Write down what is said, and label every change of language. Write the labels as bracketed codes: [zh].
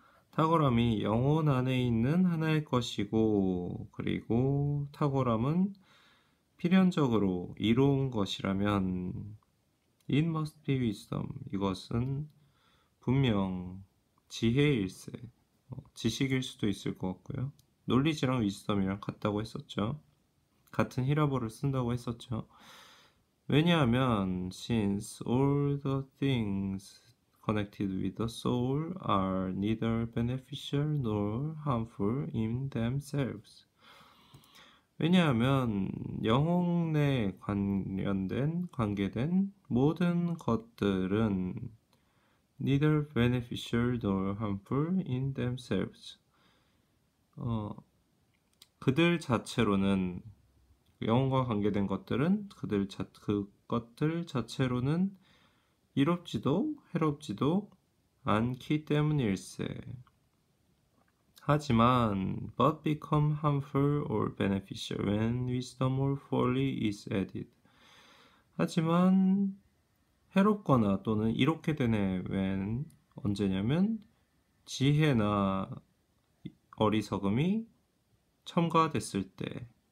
[ko] 탁월함이 영혼 안에 있는 하나의 것이고, 그리고 탁월함은 필연적으로 이로운 것이라면 [en] It must be wisdom. [ko] 이것은 분명 지혜일세. 지식일 수도 있을 것 같고요. 논리지랑 위즈덤이랑 같다고 했었죠. 같은 히라보를 쓴다고 했었죠. 왜냐하면 [en] since all the things connected with the soul are neither beneficial nor harmful in themselves. [ko] 왜냐하면 영혼에 관련된 관계된 모든 것들은 [en] Neither beneficial nor harmful in themselves. [ko] 그들 자체로는 영혼과 관계된 것들은 그것들 자체로는 이롭지도 해롭지도 않기 때문일세. 하지만 [en] but become harmful or beneficial when wisdom or folly is added. [ko] 하지만 해롭거나 또는 이롭게 되네 웬 언제냐면 지혜나 어리석음이 첨가됐을 때